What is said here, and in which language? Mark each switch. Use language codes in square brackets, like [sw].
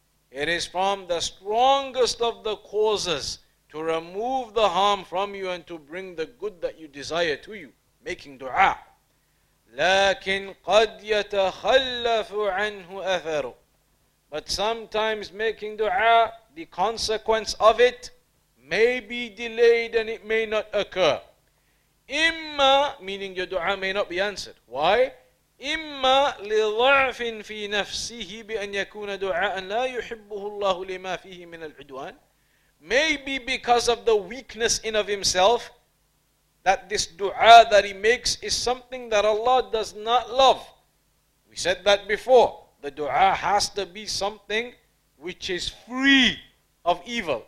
[en] It is from the strongest of the causes to remove the harm from you and to bring the good that you desire to you, making dua. [ar] لكن قد يتخلف عنه أثره. [en] But sometimes making dua, the consequence of it may be delayed and it may not occur. إما, meaning your dua may not be answered. Why? [ar] إما لضعف في نفسه بأن يكون دعاء لا يحبه الله لما فيه من العدوان. [en] Maybe because of the weakness in of himself, that this dua that he makes is something that Allah does not love. We said that before. The dua has to be something which is free of evil.